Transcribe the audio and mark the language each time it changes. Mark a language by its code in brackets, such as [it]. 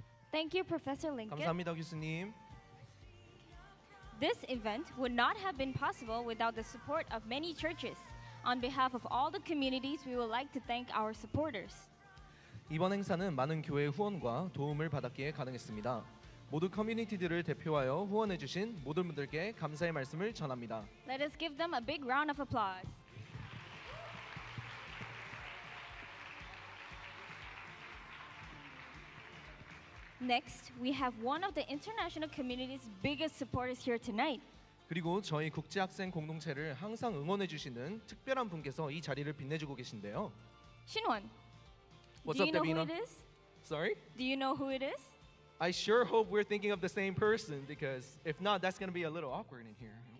[en] Thank you, Professor Lincoln. [ko] 감사합니다, 교수님. [en] This event would not have been possible without the support of many churches. On behalf of all the communities, we would like to thank our supporters. [ko] 이번 행사는 많은 교회의 후원과 도움을 받았기에 가능했습니다. 모두 커뮤니티들을 대표하여 후원해 주신 모든 분들께 감사의 말씀을 전합니다. [en] Let us give them a big round of applause. Next, we have one of the international community's biggest supporters here tonight. [ko] 그리고 저희 국제학생 공동체를 항상 응원해 주시는 특별한 분께서 이 자리를 빛내주고 계신데요. 신원. [en] What's Do up, Davina? Do you know who it is? Sorry? Do you know who it is? I sure hope we're thinking of the same person because if not, that's going to be a little awkward in here.